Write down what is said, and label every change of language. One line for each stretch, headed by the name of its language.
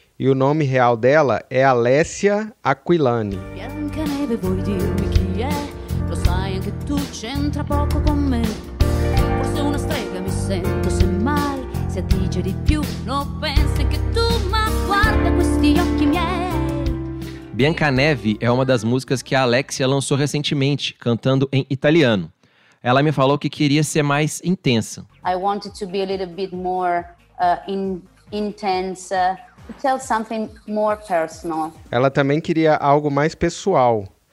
Portuguese: E o nome real dela é Alessia Aquilani.
Italian: Bianca neve, vuoi dirmi chi è? Lo sai anche tu, c'entra poco con me. Forse una strega mi sento semmai. Se dice di più, non pensi che tu, ma guarda questi occhi miei.
Portuguese: Bianca Neve é uma das músicas que a Alexia lançou recentemente, cantando em italiano. Ela me falou que queria ser mais intensa.
English: I wanted to be a little bit more intense. Tell something more personal.
Portuguese: Ela também queria algo mais pessoal.